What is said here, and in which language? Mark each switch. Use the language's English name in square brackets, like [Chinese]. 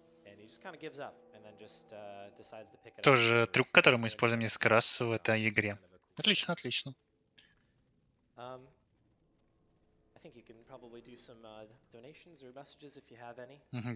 [English] And he just kind of gives up, and then just decides to pick it up. [Russian] Тоже трюк, который мы используем несколько раз в этой игре. Отлично, отлично. [English] I think you can probably do some donations or messages if you have any.